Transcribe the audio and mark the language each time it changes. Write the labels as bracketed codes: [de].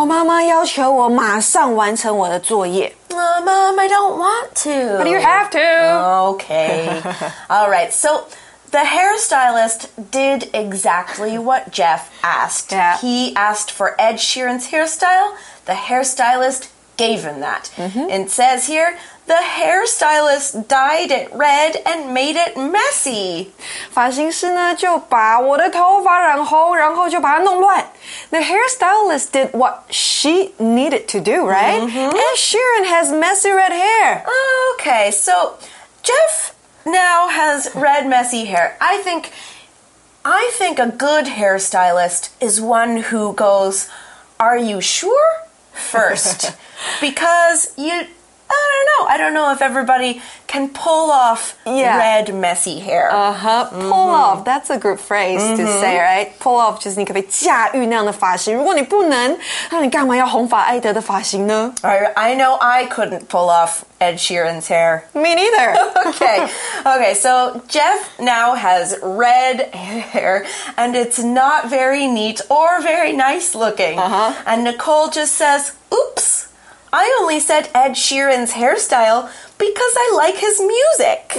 [zh] 我妈妈要求我马上完成我的作业。 [en] Mom, I don't want to. But you have to. Okay. All right. So the hairstylist did exactly what Jeff asked.、 Yeah. He asked for Ed Sheeran's hairstyle. The hairstylist gave him that. It、mm-hmm. says here, the hairstylist dyed it red and made it messy. [zh] 发型师呢就把我的头发然后就把它弄乱。 [en] The hairstylist did what she needed to do, right?、 Mm-hmm. And Sheeran has messy red hair. Okay, so Jeff now has red messy hair. I think a good hairstylist is one who goes, are you sure? First. Because I don't know if everybody can pull off、 yeah. red messy hair. Uh-huh, pull、mm-hmm. off, that's a good phrase、mm-hmm. to say, right? [zh] Pull off, 就是你可不可以驾驭那样的发型。如果你不能，那你干嘛要红发艾德的发型呢？ [en] I know I couldn't pull off Ed Sheeran's hair. Me neither. Okay, so Jeff now has red hair, and it's not very neat or very nice looking. Uh-huh. And Nicole just says, oops. I only said Ed Sheeran's hairstyle because I like his music.